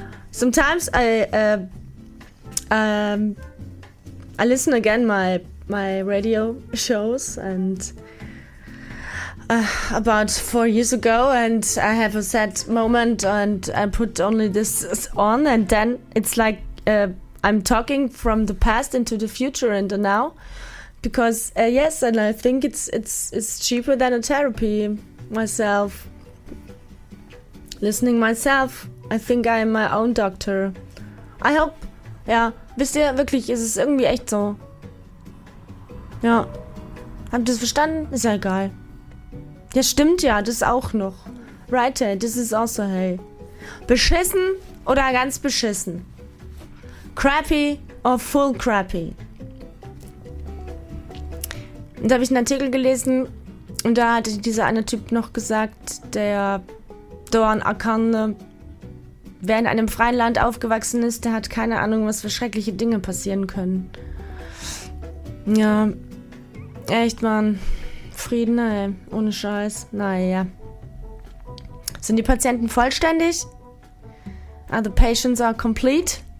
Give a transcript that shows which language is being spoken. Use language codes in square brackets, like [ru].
[en] Sometimes I listen again my radio shows and about 4 years ago, and I have a sad moment and I put only this on, and then it's like I'm talking from the past into the future and the now, because yes, and I think it's cheaper than a therapy myself. Listening myself, I think I'm my own doctor. I hope. [de] Ja, wisst ihr, wirklich, ist es irgendwie echt so. Ja. Habt ihr es verstanden? Ist ja egal. Ja, stimmt ja, das auch noch. [en] Right, hey, this is also hey. [de] Beschissen oder ganz beschissen? [en] Crappy or full crappy? [de] Und da habe ich einen Artikel gelesen und da hat dieser eine Typ noch gesagt, der Doan Akande, wer in einem freien Land aufgewachsen ist, der hat keine Ahnung, was für schreckliche Dinge passieren können. Ja, echt, Mann. Frieden, ey. Ohne Scheiß. Naja. Sind die Patienten vollständig? [en] Are the patients are complete?